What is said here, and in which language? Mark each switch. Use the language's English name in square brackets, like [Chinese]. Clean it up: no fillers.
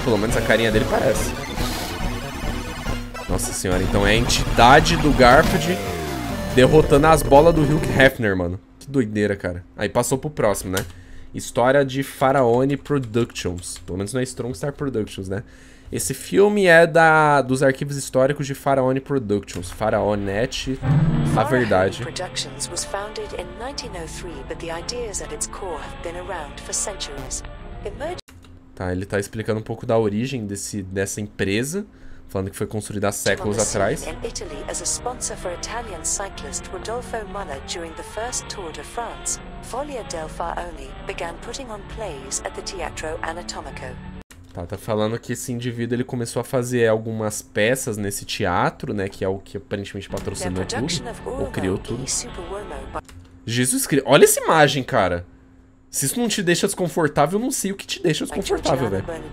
[Portuguese] Pelo menos a carinha dele parece. Nossa senhora, então é a entidade do Garfield derrotando as bolas do Hugh Hefner, mano. Que doideira, cara. Aí passou pro próximo, né? História de Faraone Productions. Pelo menos não é Strong Star Productions, né? Esse filme é da, dos arquivos históricos de Faraone Productions. Faraonet, a verdade. [English] Productions was founded in 1903, but the ideas at its core have been around for centuries. [Portuguese] Tá, ele tá explicando um pouco da origem desse, dessa empresa, falando que foi construída há séculos atrás. [English] In Italy as a sponsor for Italian cyclist Rodolfo Muller during the first Tour de France, Folia del Faraone began putting on plays at the Teatro Anatomico. [Portuguese] Tá, tá falando que esse indivíduo, ele começou a fazer algumas peças nesse teatro, né? Que é o que aparentemente patrocinou tudo, ou criou tudo. Jesus Cristo, olha essa imagem, cara. Se isso não te deixa desconfortável, eu não sei o que te deixa desconfortável, velho.